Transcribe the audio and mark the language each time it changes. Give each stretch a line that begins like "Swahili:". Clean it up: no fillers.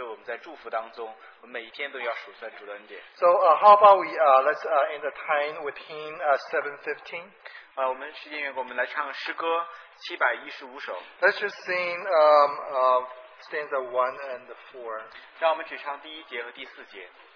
Chinese: 我想，无论我们是在试炼当中，还是我们在祝福当中，我们每一天都要数算主的恩典。
English: So how about we let's end the time with him 7:15.
Chinese: 我们时间缘故，我们来唱诗歌715首。
English: Let's just sing stanza 1 and 4.
Chinese: 让我们只唱第一节和第四节。